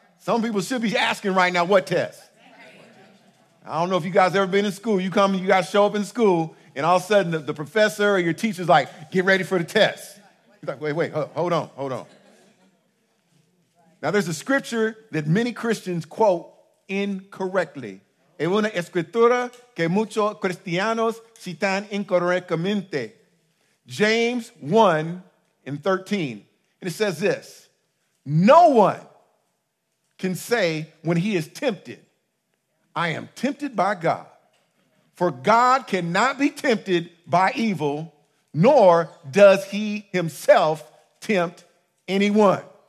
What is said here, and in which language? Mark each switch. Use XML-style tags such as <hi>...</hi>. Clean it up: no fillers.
<en>Some people should be asking right now, what test? I don't know if you guys ever been in school. You come and you guys show up in school, and all of a sudden the professor or your teacher's like, get ready for the test. He's like, wait, hold on. Now there's a scripture that many Christians quote incorrectly.</en> <es>Es una escritura que muchos cristianos citan incorrectamente.</es> <en>James 1 and 13, and it says this: no one can say when he is tempted, I am tempted by God. For God cannot be tempted by evil, nor does he himself tempt anyone.</en>